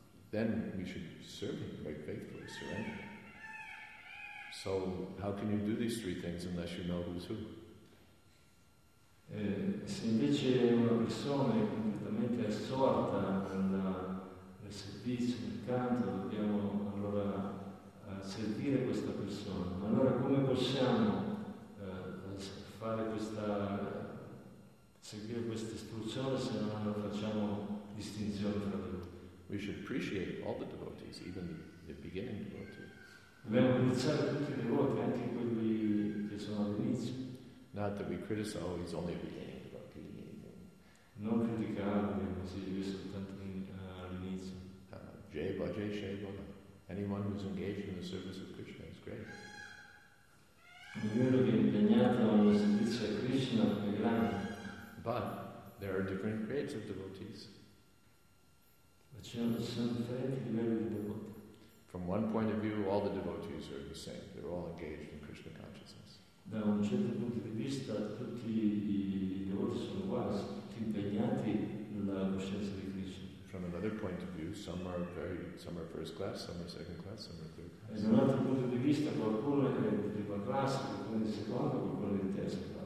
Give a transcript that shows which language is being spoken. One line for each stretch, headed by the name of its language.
English: Then we should serve him quite faithfully, surrender. So how can you do these three things unless you know who's who?
Italian: Se invece una persona è completamente assorta nel servizio, nel canto, dobbiamo allora servire questa persona. Ma allora come possiamo fare questa, seguire questa istruzione se non la facciamo distinzione tra loro?
English: We should appreciate all the devotees, even the beginning devotee.
Italian: Dobbiamo apprezzare tutti i devoti, anche quelli che sono all'inizio.
English: Not that we criticize, oh, he's only a beginning devotee.
Italian: Non criticarli, ma si è soltanto all'inizio. Jai Bhajai Shaivana.
English: Anyone who's engaged in the service of Krishna is great.
Italian: Ognuno che è impegnato nel servizio a Krishna è grande.
English: But there are different grades of devotees. From one point of view, all the devotees are the same. They're all engaged in Krishna consciousness.
Italian: Da un certo punto di vista, tutti i devoti sono uguali, tutti impegnati nella coscienza di Krishna.
English: From another point of view, some are first class, some are second class, some are third class.
Italian: Da un altro punto di vista, qualcuno è di prima classe, qualcuno di seconda, qualcuno di terza classe.